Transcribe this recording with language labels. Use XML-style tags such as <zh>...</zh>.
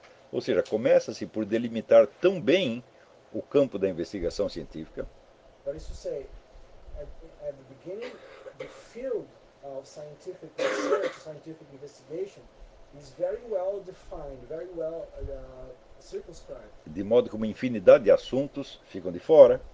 <pt>Ou seja, começa-se por delimitar tão bem o campo da investigação científica.</pt> <en>That is to say, at the beginning, the field of scientific research, scientific investigation, is very well defined, very well circumscribed.</en> <pt>De modo que uma infinidade de assuntos ficam de fora.</pt>